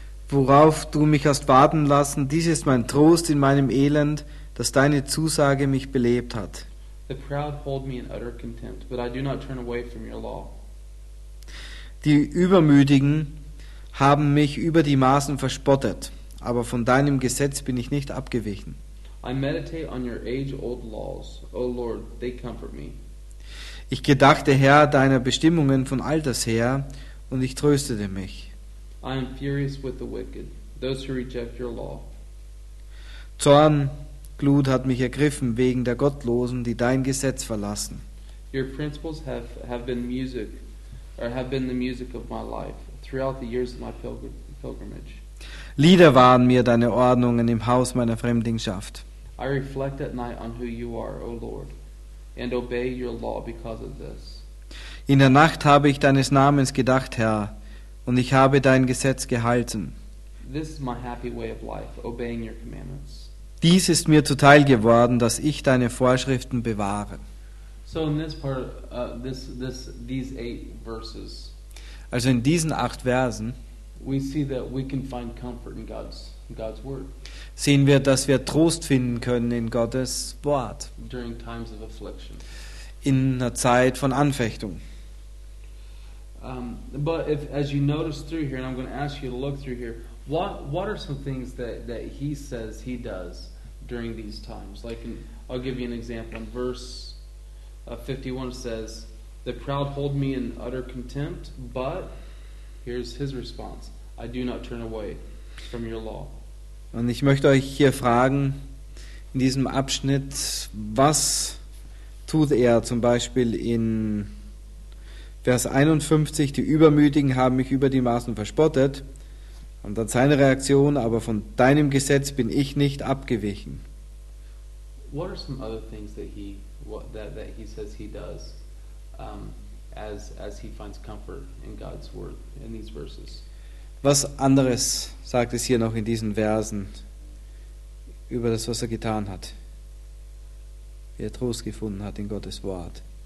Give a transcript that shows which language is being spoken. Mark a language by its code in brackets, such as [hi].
[de] Worauf du mich hast warten lassen, dies ist mein Trost in meinem Elend, dass deine Zusage mich belebt hat. [en] The proud hold me in utter contempt, but I do not turn away from your law. [de] Die Übermütigen haben mich über die Maßen verspottet, aber von deinem Gesetz bin ich nicht abgewichen. [en] I meditate on your age-old laws, O Lord, they comfort me. [de] Ich gedachte, Herr, deiner Bestimmungen von alters her, und ich tröstete mich. [en] I am furious with the wicked, those who reject your law. [de] Zorn, Glut hat mich ergriffen wegen der Gottlosen, die dein Gesetz verlassen. [en] Your principles have been music, or have been the music of my life throughout the years of my pilgrimage. [de] Lieder waren mir deine Ordnungen im Haus meiner Fremdlingschaft. [en] I reflect at night on who you are, O Lord, and obey your law because of this. [de] In der Nacht habe ich deines Namens gedacht, Herr, und ich habe dein Gesetz gehalten. [en] This is my happy way of life, obeying your commandments. [de] Dies ist mir zuteil geworden, dass ich deine Vorschriften bewahre. [en] So in this part, these 8 verses. [de] Also in diesen 8 Versen. [en] We see that we can find comfort in God's word. [de] Sehen wir, dass wir Trost finden können in Gottes Wort. [en] During times of affliction. [de] In einer Zeit von Anfechtung. [en] But if, as you notice through here, and I'm going to ask you to look through here, what are some things that he says he does during these times? I'll give you an example. In verse 51 says, "The proud hold me in utter contempt, but." Here's his response. I do not turn away from your law. [de] Und ich möchte euch hier fragen, in diesem Abschnitt, was tut er zum Beispiel in Vers 51, die Übermütigen haben mich über die Maßen verspottet, und dann seine Reaktion, aber von deinem Gesetz bin ich nicht abgewichen. [en] What are some other things that he says he does? As he finds comfort in God's word in these verses. [de] Was anderes sagt es hier noch in diesen Versen über das, was er getan hat, wie er Trost gefunden hat in Gottes Wort?